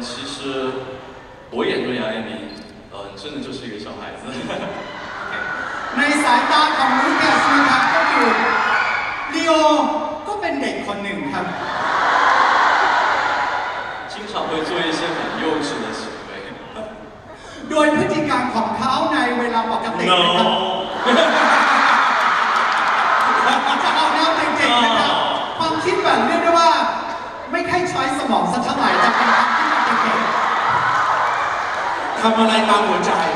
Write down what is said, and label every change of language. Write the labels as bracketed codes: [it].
[zh] 其实我眼中杨彦妮，真的就是一个小孩子。 [th] ในสายตาของลูคัสนะครับก็คือลีโอก็เป็นเด็กคนหนึ่งครับ [zh] 经常会做一些很幼稚的行为 [th] โดยพฤติกรรมของเขาในเวลาปกติ no จะเอาแนวเด็กๆนะครับความคิดแบบเรียกได้ว่าไม่ค่อยใช้สมองสักเท่าไหร่จะเป็นความ คิดแบบเด็กๆทำอะไรตามหัวใจ